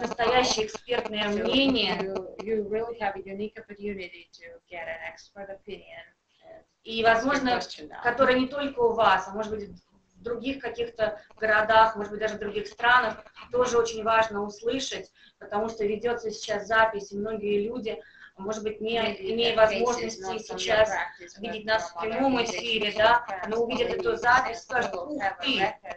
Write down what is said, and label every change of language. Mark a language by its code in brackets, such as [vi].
[ru] Настоящее экспертное мнение. [en] You really have a unique opportunity to get an expert opinion. [ru] И, возможно, которая не только у вас, а может быть, в других каких-то городах, может быть, даже в других странах, тоже очень важно услышать, потому что ведется сейчас запись, и многие люди, может быть, не имея возможности сейчас видеть нас в прямом эфире, да, но увидят эту запись, скажут, ух ты!